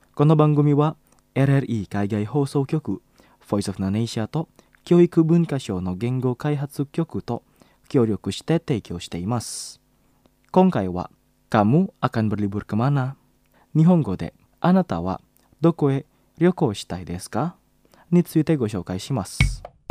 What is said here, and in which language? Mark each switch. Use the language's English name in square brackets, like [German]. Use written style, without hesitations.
[Japanese] この番組は LRE 海外放送局 Voice of Indonesia と教育文化省の言語開発局と協力して提供しています。今回は [Indonesian] Kamu akan berlibur kemana? [Japanese] 日本語であなたはどこへ旅行したいですか? についてご紹介します。